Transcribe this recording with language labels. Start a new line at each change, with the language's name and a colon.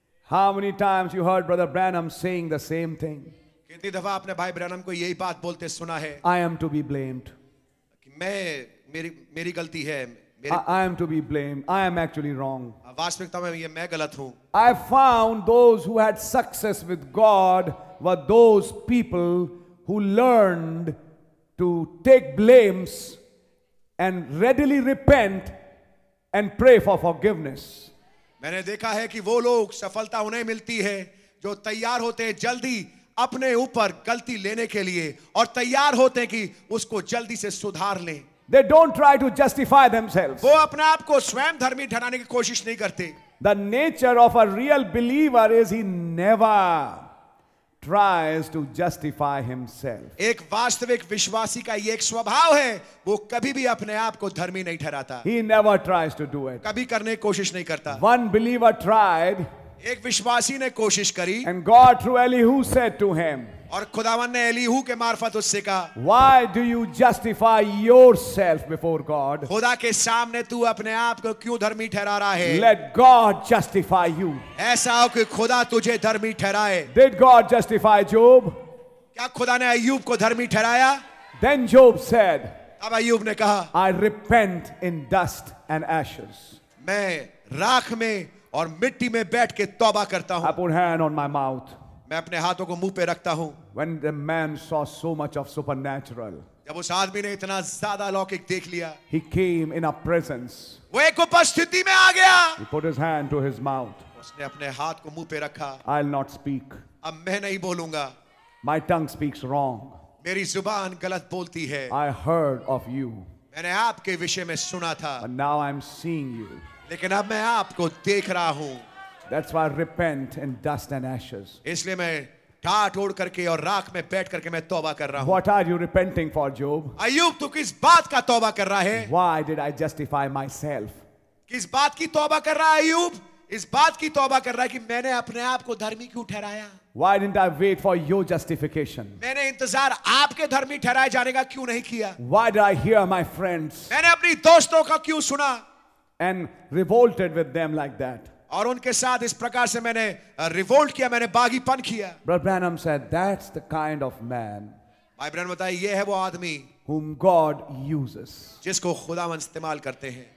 English: How many times you heard brother Branham saying the same thing?
Hindi: कितनी दफा आपने भाई ब्रैनम को यही बात बोलते सुना है?
English: I am to be blamed,
Hindi: मैं मेरी गलती है.
English: I am to be blamed. I am actually wrong.
Hindi: वास्तविकता में ये मैं गलत हूँ.
English: I found those who had success with God were those people who learned to take blames and readily repent and pray for forgiveness.
Hindi: मैंने देखा है कि वो लोग सफलता उन्हें मिलती है जो तैयार होते हैं जल्दी अपने ऊपर गलती लेने के लिए और तैयार होते हैं कि उसको जल्दी से सुधार लें.
English: They don't try to justify themselves.
Hindi: वो अपने आप को स्वयं धर्मी ठहराने की कोशिश नहीं करते.
English: The nature of a real believer is he never tries to justify himself.
Hindi: एक वास्तविक विश्वासी का ये एक स्वभाव है, वो कभी भी अपने आप को धर्मी नहीं ठहराता.
English: He never tries to do it.
Hindi: कभी करने की कोशिश नहीं करता.
English: One believer tried.
Hindi: एक विश्वासी ने कोशिश करी.
English: And God through Elihu said to him.
Hindi: और खुदावन ने एलीहू के मार्फत उससे कहा,
English: Why do you justify yourself before God?
Hindi: खुदा के सामने तू अपने आप को क्यों धर्मी ठहरा रहा है?
English: Let God justify you.
Hindi: ऐसा हो कि खुदा तुझे धर्मी ठहराए.
English: Did God justify Job?
Hindi: क्या खुदा ने अय्यूब को धर्मी ठहराया?
English: Then Job said,
Hindi: अब अय्यूब ने कहा,
English: I repent in dust and ashes.
Hindi: मैं राख में और मिट्टी में बैठ के तौबा करता हूं.
English: I put hand on my mouth.
Hindi: मैं अपने हाथों को मुंह पे रखता हूं.
English: When the man saw so much of supernatural,
Hindi: जब उस आदमी ने इतना ज्यादा लौकिक देख लिया,
English: he came in a presence,
Hindi: वो एक उपस्थिति में आ गया.
English: He put his hand to his mouth,
Hindi: उसने अपने हाथ को मुंह पे रखा.
English: I'll not speak,
Hindi: अब मैं नहीं बोलूंगा.
English: My tongue speaks wrong,
Hindi: मेरी जुबान गलत बोलती है.
English: I heard of you,
Hindi: मैंने आपके विषय में सुना था.
English: But now I'm seeing you,
Hindi: लेकिन अब मैं आपको देख रहा हूं.
English: That's why I repent in dust and ashes.
Hindi: इसलिए मैं टाट ओढ़ करके और राख में बैठ करके मैं तौबा कर रहा हूँ.
English: What are you repenting for, Job?
Hindi: अय्यूब, तू किस बात का तौबा कर रहा है?
English: Why did I justify myself?
Hindi: किस बात की तौबा कर रहा है अय्यूब? इस बात की तौबा कर रहा है कि मैंने अपने आप को धर्मी क्यों ठहराया?
English: Why didn't I wait for your justification?
Hindi: मैंने इंतजार आपके धर्मी ठहराए जाने का क्यों नहीं किया?
English: Why did I hear my friends?
Hindi: मैंने अपने दोस्तों का क्यों सुना?
English: And revolted with them like that.
Hindi: और उनके साथ इस प्रकार से मैंने रिवोल्ट किया, मैंने बागीपन किया.
English: Brother Branham said, that's the kind of man.
Hindi: भाई ब्रैनम बताए, ये है वो आदमी.
English: Whom God uses.
Hindi: जिसको खुदावन इस्तेमाल करते हैं.